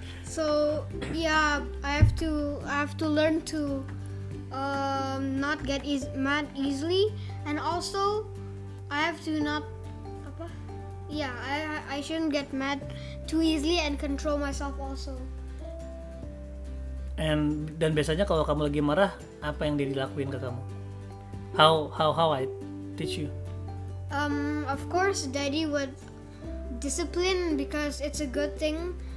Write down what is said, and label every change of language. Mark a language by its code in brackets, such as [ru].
[en] So yeah, I have to learn to not get mad easily, and also I have to not, I shouldn't get mad too easily and control myself also. [id] Dan biasanya kalau kamu lagi marah, apa yang dilakuin ke kamu? [en] How I teach you? Of course, Daddy would discipline, because it's a good thing.